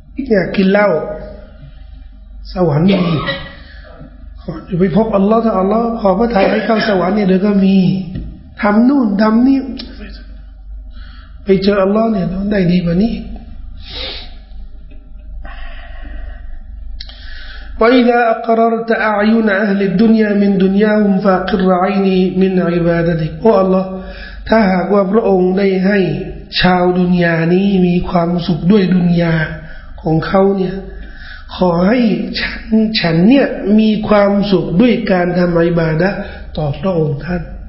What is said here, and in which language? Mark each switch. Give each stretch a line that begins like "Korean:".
Thai: อยากกินเหล้าสวรรค์มีขอไปพบอัลลอฮ์ถ้าอัลลอฮ์ขอพระทัยให้เข้าสวรรค์เนี่ยเดี๋ยวก็มีทำนู่นทำนี่ไปเจออัลลอฮ์เนี่ยได้ดีกว่านี้
Arabic: وإذا أقررت أعين أهل الدنيا من دنياهم فاقر عيني من عبادتك
Thai: โอ้อัลลอฮ์ถ้าหากว่าพระองค์ได้ให้ชาวดุนยานี้มีความสุขด้วยดุนยาของเขาเนี่ยขอให้ฉันเนี่ยมีความสุขด้วยการทำอิบาดะห์ต่อพระองค์ท่าน